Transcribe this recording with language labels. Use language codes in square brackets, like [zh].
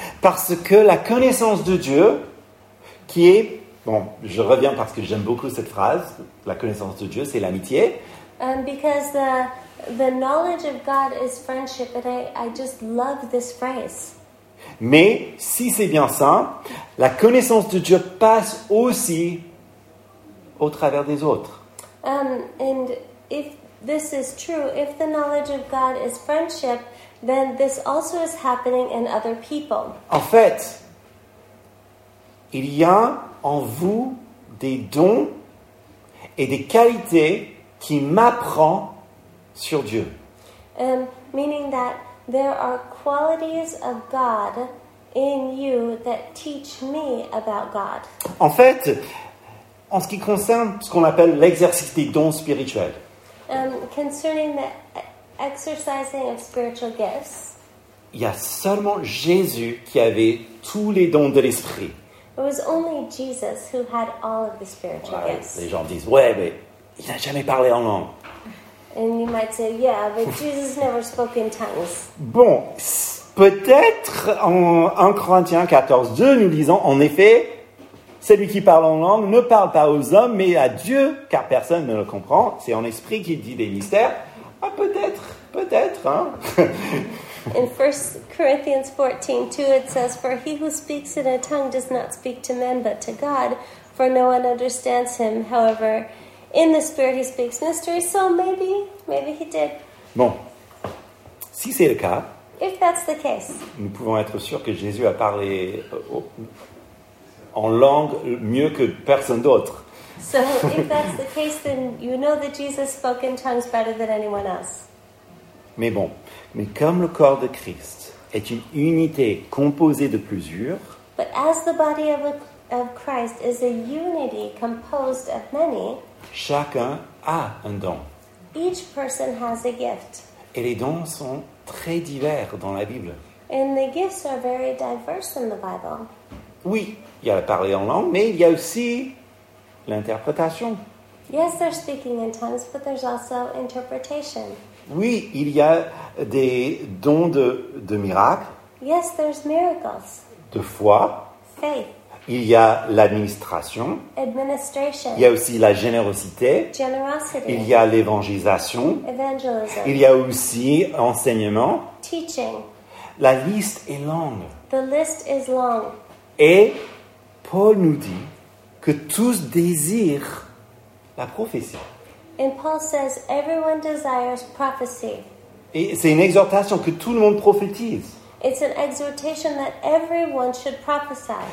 [fr] Parce que la connaissance de Dieu, qui est, bon, je reviens parce que j'aime beaucoup cette phrase, la connaissance de Dieu, c'est l'amitié. [en] Because the knowledge of God is friendship, and I just love this phrase. [fr] Mais si c'est bien ça, la connaissance de Dieu passe aussi au travers des autres. [en] And if this is true, if the knowledge of God is friendship, then this also is happening in other people. [fr] En fait, il y a en vous des dons et des qualités qui m'apprend sur Dieu. [en] Meaning that there are qualities of God in you that teach me about God. [fr] En fait, en ce qui concerne ce qu'on appelle l'exercice des dons spirituels. [en] Concerning the exercising of spiritual gifts. [fr] Il y a seulement Jésus qui avait tous les dons de l'esprit. [en] It was only Jesus who had all of the spiritual gifts. [fr] Les gens disent, ouais, mais il n'a jamais parlé en langue. [en] And you might say, yeah, but Jesus never spoke in tongues. [fr] Bon, peut-être en 1 Corinthiens 14, 2, nous disons, en effet, celui qui parle en langue ne parle pas aux hommes, mais à Dieu, car personne ne le comprend. C'est en esprit qu'il dit des mystères. Ah, peut-être, hein. [en] In 1 Corinthians 14, 2, it says, for he who speaks in a tongue does not speak to men, but to God, for no one understands him. However, in the spirit he speaks mysteries, so maybe he did. [fr] Bon, si c'est le cas, [en] if that's the case, [fr] nous pouvons être sûrs que Jésus a parlé en langue mieux que personne d'autre. [en] So if that's the case, then you know that Jesus spoke in tongues better than anyone else. [fr] Mais bon, mais comme le corps de Christ est une unité composée de plusieurs, [en] but as the body of Christ is a unity composed of many, [fr] chacun a un don. [en] Each person has a gift. [fr] Et les dons sont très divers dans la Bible. [en] And the gifts are very diverse in the Bible. [fr] Oui, il y a le parler en langue, mais il y a aussi l'interprétation. [en] Yes, they're speaking in tongues, but there's also interpretation. [fr] Oui, il y a des dons de miracles. [en] Yes, there's miracles. [fr] De foi. [en] Faith. [fr] Il y a l'administration. [en] Administration. [fr] Il y a aussi la générosité. [en] Generosity. [fr] Il y a l'évangélisation. [en] Evangelism. [fr] Il y a aussi enseignement. [en] Teaching. [fr] La liste est longue. [en] The list is long. [fr] Et Paul nous dit, que tous désirent la prophétie. [en] And Paul says everyone desires prophecy. [fr] Et c'est une exhortation que tout le monde prophétise. [en] It's an exhortation that everyone should prophesy.